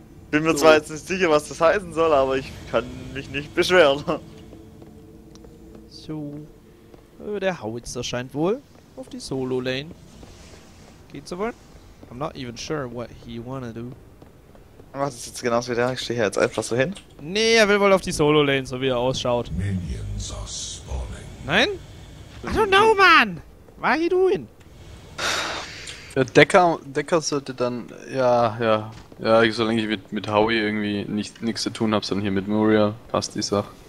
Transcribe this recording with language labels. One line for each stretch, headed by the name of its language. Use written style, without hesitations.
German: Bin mir zwar jetzt nicht sicher, was das heißen soll, aber ich kann mich nicht beschweren. So. Der Howitzer scheint wohl auf die Solo-Lane. Geht's aber?
English: I'm not even sure what he wanna do.
German: Was ist jetzt genauso wie der? Ich stehe hier jetzt einfach so hin. Nee, er will wohl auf die Solo-Lane, so wie er ausschaut.
English: Minions are spawning. Nein? I don't know, man! What are you doing?
German: Ja, Decker sollte dann. Ja, solange ich mit Howie irgendwie nichts zu tun habe, sondern hier mit Muria, passt die Sache.